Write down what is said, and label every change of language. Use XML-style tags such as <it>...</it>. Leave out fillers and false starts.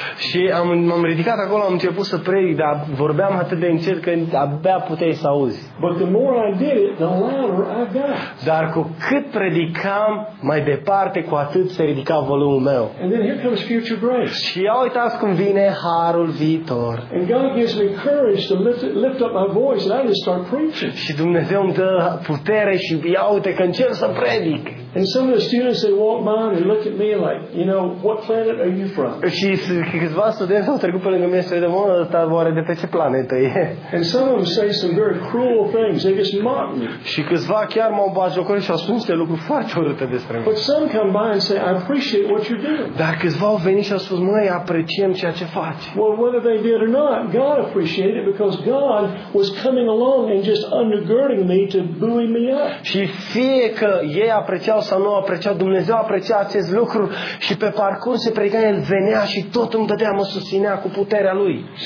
<ro>Și m-am ridicat acolo, am început să predic, dar vorbeam atât de încet că abia puteai să auzi.</ro> <en>But the more I did it, the louder I got.</en> <ro>Dar cu cât predicam mai departe, cu atât se ridica volumul meu.</ro> <en>And then here comes future grace.</en> <ro>Și ia uitați cum vine harul viitor.</ro> <en>And God gives me courage to lift up my voice and I just start preaching.</en> <ro>Și Dumnezeu îmi dă putere și ia uite că încerc să predic.</ro> <en>And some of the students, they walk by and look at me like, "You know, what planet are you from?"</en> <ro>Și câțiva studenți au trecut pe lângă mine și au zis, "Mă, dar oare de pe ce planetă e?"</ro> <en>And some of them say some very cruel things. They just mock me.</en> <ro>Și câțiva chiar m-au bajocorit și au spus niște lucruri foarte urâte despre mine.</ro> <en>But some come by and say, "I appreciate what you're doing."</en> <ro>Dar câțiva au venit și au spus, "Măi, apreciem ceea ce faci."</ro> <en>Well, whether they did or not, God appreciated it because God was coming along and just undergirding me to buoy me up.</en> <ro>Și fie că ei apreciau sau nu apreciau, Dumnezeu aprecia acest lucru și pe parcurs se predica, el venea și tot îmi dădea, mă susținea cu puterea lui.</ro>